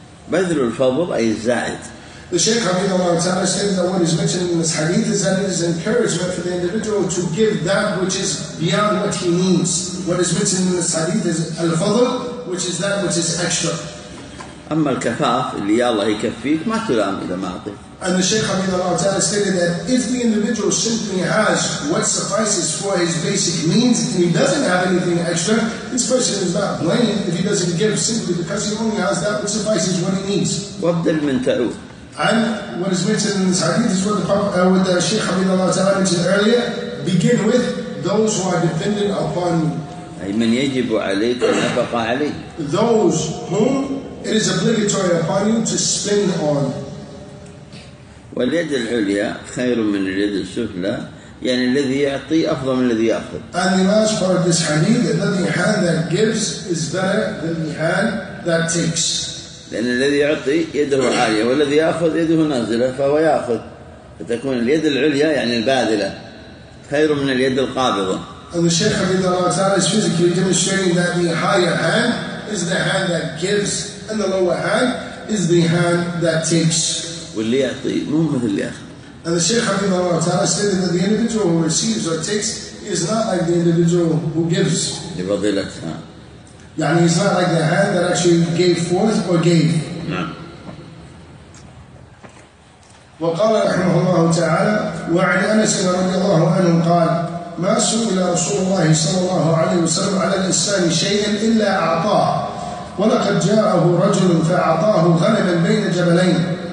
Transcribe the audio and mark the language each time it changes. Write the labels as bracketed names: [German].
[Arabic] بذل الفضل أي الزائد. [English] The Shaykh Hamidullah Ta'ala stated that what is mentioned in this hadith is that it is encouragement for the individual to give that which is beyond what he needs. What is mentioned in this hadith is al-fadl, which is that which is extra. [Arabic] أما الكفاف اللي الله يكفيك ما تلام إذا ما أعطيك. [English] And the Shaykh Hamidullah Ta'ala stated that if the individual simply has what suffices for his basic needs and he doesn't have anything extra, this person is not blamed if he doesn't give simply because he only has that which suffices what he needs. [Arabic] وَبْدَلْ مِنْ تَعُوْ. [English] And what is mentioned in this hadith is what the Shaykh Hamidullah Ta'ala mentioned earlier, begin with those who are dependent upon you. [Arabic] أي من يجب عليك النفقة عليه. [English] Those whom it is obligatory upon you to spend on. [Arabic] واليد العليا خير من اليد السفلى يعني الذي يعطي أفضل من الذي يأخذ. [English] And the last part of this hadith, that the hand that gives is better than the hand that takes. [Arabic] لأن الذي يعطي يده عالية والذي يأخذ يده نازلة فهو يأخذ فتكون اليد العليا يعني البادلة خير من اليد القابضة. [English] And the Shaykh Hamidullah Ta'ala is physically demonstrating that the higher hand is the hand that gives and the lower hand is the hand that takes. [Arabic] واللي يعطي مو مثل اللي ياخذ. [English] And the Shaykh Hamidullah Ta'ala stated that the individual who receives or takes is not like the individual who gives. [Arabic] لفضيلتها. [English] يعني he's not like the hand that actually gave forth or gave. [Arabic] نعم. وقال رحمه الله تعالى: وعن انس رضي الله عنه قال: ما سئل رسول الله صلى الله عليه وسلم على الانسان شيئا الا اعطاه ولقد جاءه رجل فاعطاه غنما بين جبلين.